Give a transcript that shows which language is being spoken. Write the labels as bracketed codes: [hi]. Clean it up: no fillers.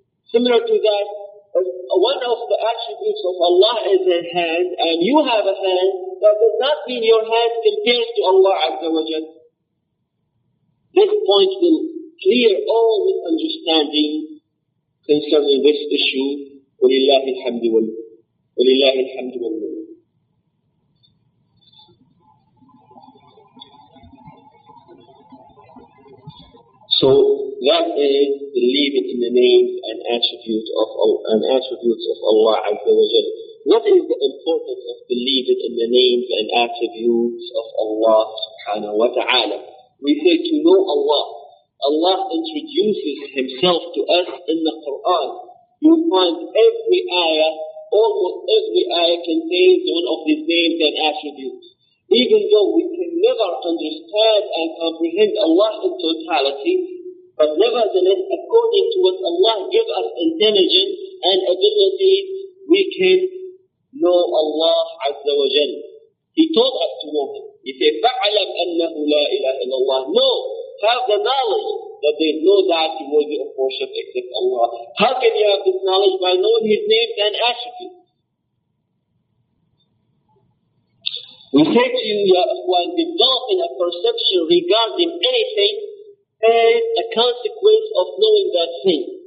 [en] Similar to that, one of the attributes of Allah is a hand, and you have a hand, that does not mean your hand compares to Allah Azza wa Jal. This point will clear all misunderstanding concerning this issue, [ar] ولله الحمد والمنة ولله الحمد والمنة. [en] So that is the limit in the names and attributes of Allah Azza wa Jal. What is the importance of believing in the names and attributes of Allah subhanahu wa ta'ala? We say to know Allah. Allah introduces Himself to us in the Quran. You find every ayah, almost every ayah contains one of these names and attributes. Even though we can never understand and comprehend Allah in totality, but nevertheless, according to what Allah gives us intelligence and ability, we can know Allah Azza wa Jal. He told us to know Him. He said, [ar] فَعَلَمْ أَنَّهُ لَا إِلَهَ إِلَّا اللَّهُ. [en] No, have the knowledge that there is no deity worthy of worship except Allah. How can you have this knowledge? By knowing His names and attributes. We say to you, Ya Akhwan, developing a perception regarding anything is a consequence of knowing that thing.